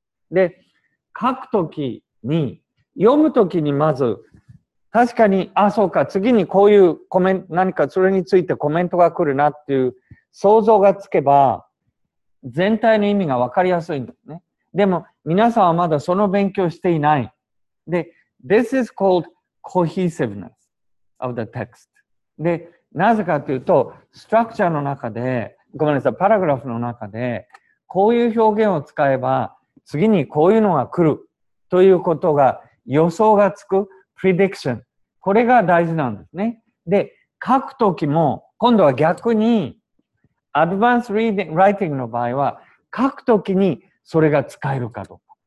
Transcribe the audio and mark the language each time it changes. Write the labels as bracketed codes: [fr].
[ja] で、書くときに、読むときにまず、確かに、あ、そうか、次にこういうコメント、何かそれについてコメントが来るなっていう想像がつけば、全体の意味がわかりやすいんだよね。でも、皆さんはまだその勉強していない。 [en] で、This is called cohesiveness of the text. [ja] で、なぜかというと、ストラクチャーの中で、ごめんなさい、パラグラフの中で、こういう表現を使えば、次にこういうのが来る、ということが、予想がつく、prediction。これが大事なんですね。で、書くときも、今度は逆に、 [en] advanced reading, writing [ja] の場合は、書くときにそれが使えるかどうか。